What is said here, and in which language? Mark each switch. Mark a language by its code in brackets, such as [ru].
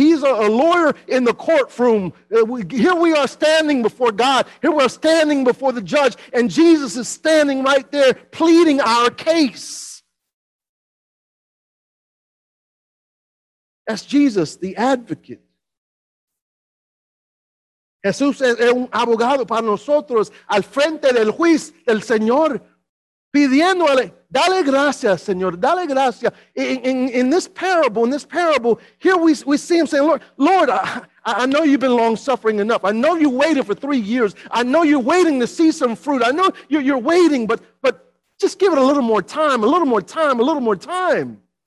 [en] He's a lawyer in the courtroom. Here we are standing before God. Here we are standing before the judge, and Jesus is standing right there pleading our case. That's Jesus, the advocate. [es] Jesús es un abogado para nosotros al frente del juez del Señor, pidiéndole, dale gracias, Señor, dale gracias. [en] In this parable, here we see him saying, Lord, I know you've been long-suffering enough. I know you waited for 3 years. I know you're waiting to see some fruit. I know you're waiting, but just give it a little more time, a little more time, a little more time.